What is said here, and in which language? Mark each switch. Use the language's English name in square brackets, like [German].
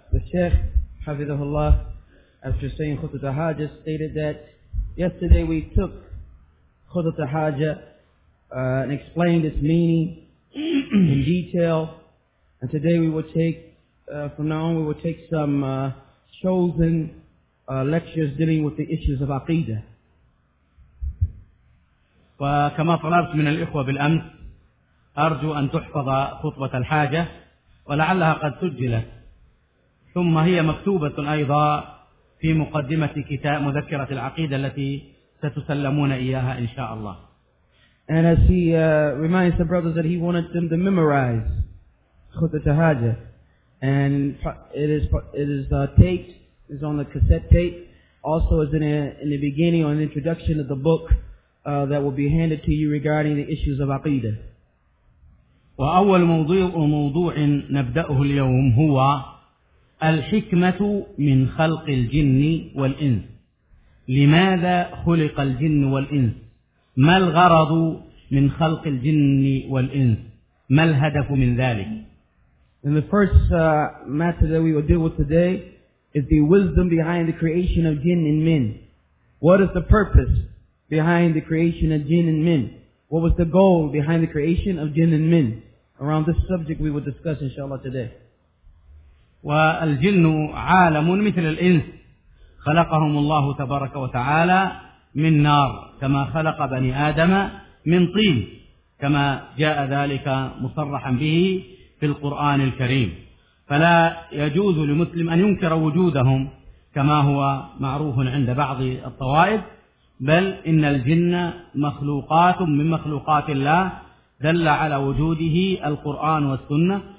[Arabic] الشيخ حفظه الله [English] after saying خطبة الحاجة stated that yesterday we took خطبة الحاجة and explained its meaning in detail. And today we will take, from now on, we will take some chosen lectures dealing with the issues of aqidah. [Arabic] وكما طلبت من الإخوة بالأمس، أرجو أن تحفظ خطبة الحاجة، ولعلها قد سجلت، ثم هي مكتوبة أيضا في مقدمة كتاب مذكرة العقيدة التي ستسلمون إياها إن شاء الله. [English] And as he reminds the brothers that he wanted them to memorize Khutbah Tahajja, and it is taped, is on the cassette tape, also is in the beginning or an introduction of the book that will be handed to you regarding the issues of Aqidah. [Arabic] وأول موضوع نبدأه اليوم هو الحكمة من خلق الجن والإنس. لماذا خلق الجن والإنس؟ ما الغرض من خلق الجن والإنس؟ ما الهدف من ذلك؟ [English] And the first matter that we will deal with today is the wisdom behind the creation of jinn and men. What is the purpose behind the creation of jinn and men? What was the goal behind the creation of jinn and men? Around this subject we will discuss inshallah today. [Arabic] والجن عالم مثل الإنس، خلقهم الله تبارك وتعالى من نار، كما خلق بني آدم من طين، كما جاء ذلك مصرحا به في القرآن الكريم. فلا يجوز لمسلم أن ينكر وجودهم كما هو معروف عند بعض الطوائف، بل إن الجن مخلوقات من مخلوقات الله، دل على وجوده القرآن والسنة.